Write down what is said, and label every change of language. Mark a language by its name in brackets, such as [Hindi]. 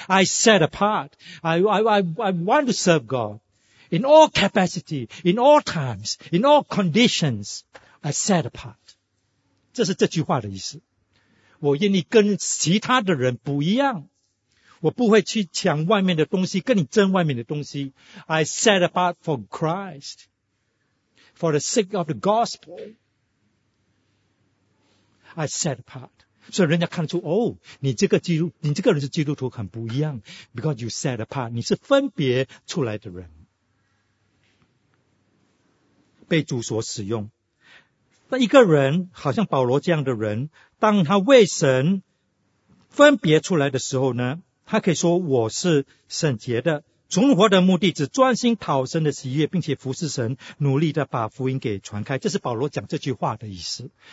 [English] I set apart， I want to serve GodIn all capacity, in all times, in all conditions, I set apart. [Chinese] 这是这句话的意思。我愿意跟其他的人不一样。我不会去抢外面的东西，跟你争外面的东西。 [English] I set apart for Christ, for the sake of the gospel. I set apart. [Chinese] 所以人家看出，哦，你这个人是基督徒很不一样。 [English] Because you set apart, [Chinese] 你是分别出来的人。被主所使用。那一个人好像保罗这样的人，当他为神分别出来的时候呢，他可以说我是圣洁的，存活的目的只专心讨神的喜悦，并且服侍神，努力的把福音给传开。这是保罗讲这句话的意思。